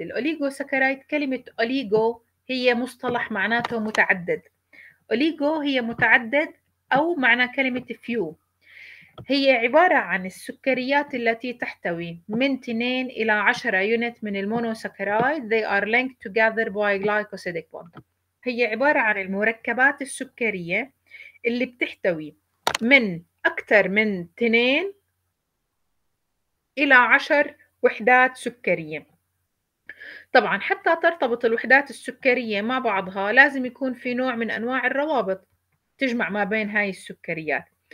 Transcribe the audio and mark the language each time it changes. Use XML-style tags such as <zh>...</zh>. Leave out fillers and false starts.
<ar>الأوليغوساكرايد، كلمة أوليغو هي مصطلح معناته متعدد، أوليغو هي متعدد أو معنى كلمة فيو، هي عبارة عن السكريات التي تحتوي من 2 إلى 10 يونت من المونوساكرايد.</ar> <en>They are linked together by glycosidic bond.</en> <ar>هي عبارة عن المركبات السكرية اللي بتحتوي من أكثر من 2 إلى 10 وحدات سكرية. طبعاً حتى ترتبط الوحدات السكرية مع بعضها لازم يكون في نوع من أنواع الروابط تجمع ما بين هاي السكريات.</ar>